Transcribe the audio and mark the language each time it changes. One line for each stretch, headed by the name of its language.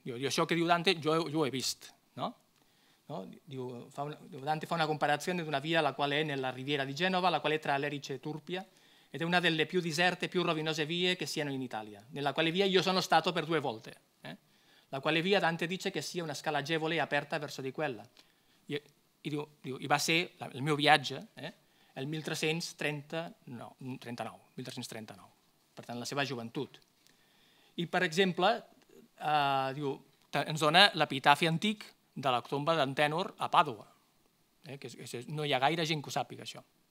Catalan: I això que diu Dante, jo ho he vist, no? No? Diu, Dante fa una comparació d'una via
Italian: la qual è nella riviera di Genova, la qual è tra l'Erice e Turpia, ed è una delle più deserte, più rovinose vie che siano in Italia, nella quale via io sono stato per 2 volte. La quale via Dante dice che sia una scala agevole e aperta verso di quella.
Catalan: I va ser
Italian: il mio viatge,
Catalan: el 1339. Per tant, la seva joventut. I, per exemple, diu, ens dona l'epitafi antic de la tomba d'Antènor a Pàdua. No hi ha gaire gent que ho sàpiga, això.